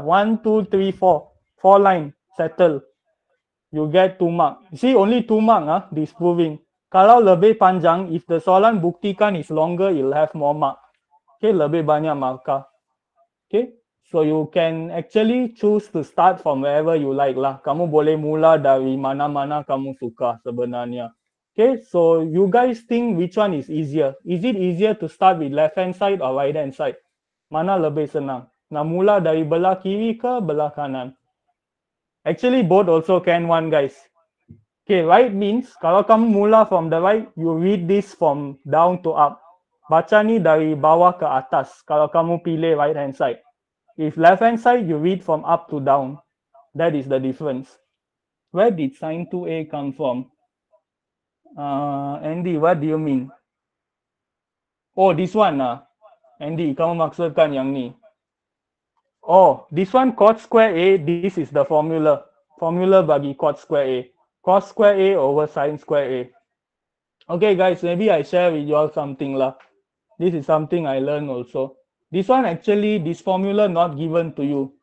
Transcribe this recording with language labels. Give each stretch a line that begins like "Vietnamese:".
English: 1, 2, 3, 4. 4 line, settle. You get 2 mark. See, only 2 mark, this proving.
Malay: Kalau lebih panjang,
English: if the
Malay: soalan buktikan
English: is longer, you'll have more mark.
Malay: Okay, lebih banyak markah.
English: Okay, so you can actually choose to start from wherever you like lah.
Malay: Kamu boleh mula dari mana-mana kamu suka sebenarnya.
English: Okay, so you guys think which one is easier? Is it easier to start with left hand side or right hand side?
Malay: Mana lebih senang? Nak mula dari belah kiri ke belah kanan?
English: Actually, both also can one guys. Okay, right means
Malay: kalau kamu mula
English: from the right, you read this from down to up.
Malay: Baca ni dari bawah ke atas kalau kamu pilih right hand side.
English: If left hand side, you read from up to down. That is the difference. Where did sine 2a come from? Andy, what do you mean? Oh, this one.
Malay: Andy, kamu maksudkan yang ni.
English: Oh, this one cot square a, this is the formula. Formula bagi cot square a. Cos square a over sine square a. Okay guys, maybe I share with you all something lah. This is something I learned also. This one actually, this formula not given to you.